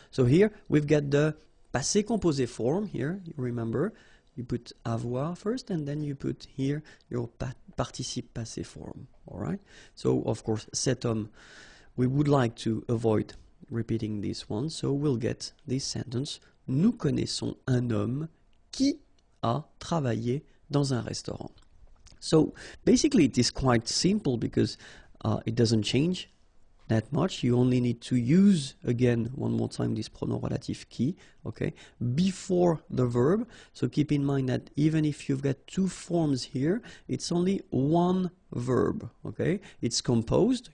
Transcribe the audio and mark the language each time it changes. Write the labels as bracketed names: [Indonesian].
[English] So here, we've got the passé composé form here, you remember. You put avoir first, and then you put here your participe passé form, all right? So, of course, [French] cet homme, [English] we would like to avoid repeating this one, so we'll get this sentence. [French] Nous connaissons un homme qui a travaillé dans un restaurant. [English] So basically it is quite simple because it doesn't change that much. You only need to use again one more time this pronom relatif qui, okay, before the verb. So keep in mind that even if you've got two forms here, it's only one verb, okay? It's composed.